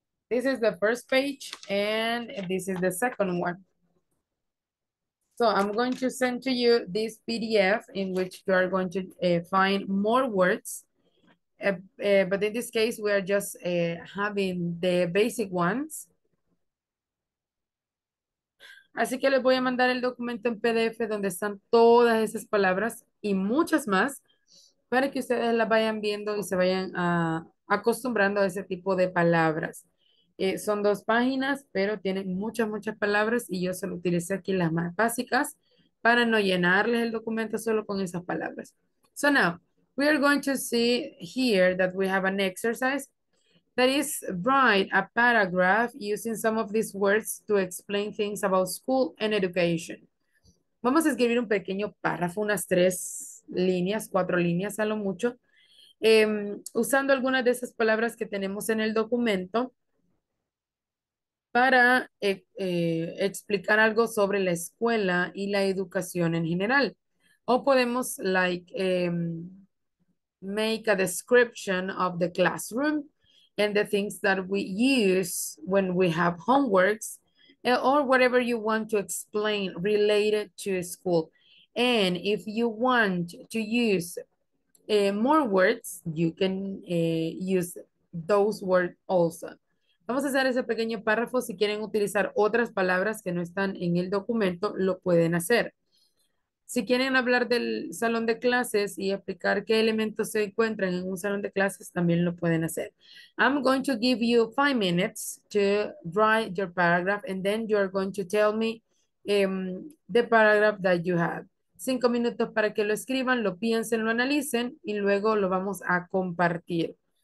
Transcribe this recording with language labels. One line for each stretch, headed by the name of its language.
English: This is the first page and this is the second one. So I'm going to send to you this PDF in which you are going to find more words. But in this case, we are just having the basic ones.
Spanish: Así que les voy a mandar el documento en PDF donde están todas esas palabras y muchas más para que ustedes las vayan viendo y se vayan acostumbrando a ese tipo de palabras. Son dos páginas, pero tienen muchas, muchas palabras y yo solo utilicé aquí las más básicas para no llenarles el documento solo con esas palabras.
English: So now, we are going to see here that we have an exercise that is write a paragraph using some of these words to explain things about school and education.
Spanish: Vamos a escribir un pequeño párrafo, unas tres líneas, cuatro líneas a lo mucho, usando algunas de esas palabras que tenemos en el documento para explicar algo sobre la escuela y la educación en general. O podemos,
English: like, make a description of the classroom and the things that we use when we have homeworks or whatever you want to explain related to school. And if you want to use more words, you can use those words also.
Spanish: Vamos a hacer ese pequeño párrafo. Si quieren utilizar otras palabras que no están en el documento, lo pueden hacer. Si quieren hablar del salón de clases y explicar qué elementos se encuentran en un salón de clases, también lo pueden hacer.
English: I'm going to give you 5 minutes to write your paragraph and then you're going to tell me the paragraph that you have.
Spanish: 5 minutos para que lo escriban, lo piensen, lo analicen y luego lo vamos a compartir.